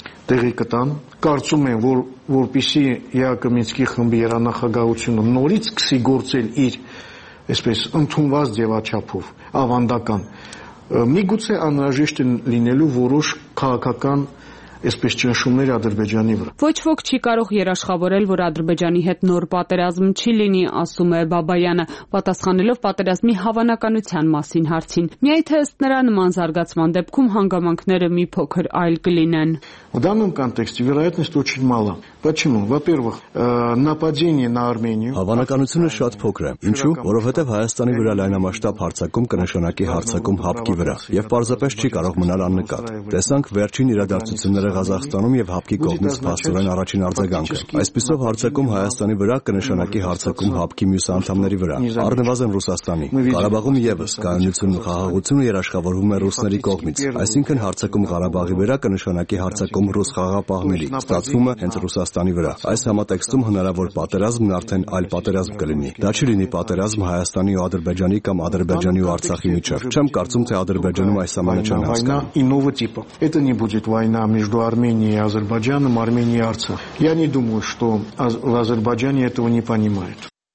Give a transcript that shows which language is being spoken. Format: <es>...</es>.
<hy>տեղի կտան։ Կարծում եմ, որ որպիսի ԵԱԿ Մինսկի խմբի երանախագահությունը նորից սկսի գործել իր այսպես ընդունված ձևաչափով ավանդական, միգուցե անհրաժեշտ են լինելու որոշ քաղաքական այսպես ճնշումներ Ադրբեջանի վրա։ Ոչ ոք չի կարող երաշխավորել, որ Ադրբեջանի հետ նոր պատերազմ չի լինի, ասում է Բաբայանը, պատասխանելով պատերազմի հավանականության մասին հարցին։ Միայն թե ըստ նրա նման զարգացման դեպքում հանգամանքները մի փոքր այլ կլինեն։</hy> <ru>В данном контексте вероятность очень мала. Почему? Во-первых, нападение на Армению.</ru> <hy>Հավանականությունը շատ փոքր է։ Ինչու? Որովհետև Հայաստանի վրա լայնամասշտաբ հարձակում կնշանակի հարձակում հապկի վրա, եւ պարզապես չի կարող մնալ աննկատ։ Տեսանք վերջին իրադարձությունները Ղազախստանում եւ հապկի կողմից փաստորեն առաջին արձագանքը։ Այսպիսով հարձակում Հայաստանի վրա կնշանակի հարձակում հապկի մյուս անդամների վրա, առնվազն Ռուսաստանի։ Ղարաբաղում եւս կայունություն ու խաղաղություն երաշխավորվում է ռուսների կողմից, այսինքն հարձակում Ղարաբաղի վրա կնշանակի հարձակում ռուս խաղապահների, ստացվում է հենց Ռուսաստանի վրա։ Այս համատեքստում հնարավոր պատերազմն արդեն այլ պատերազմ կլինի։ Դա չի լինի պատերազմ Հայաստանի ու Ադրբեջանի կամ Ադրբեջանի ու Արցախի միջև։ Չեմ կարծում, թե Ադրբեջանում այս ամենը չի հասկանա։</hy> <ru>Иного типа. Это не будет война между Арменией и Азербайджаном, Арменией и Арцахом. Я не думаю, что в Азербайджане этого не понимают.</ru>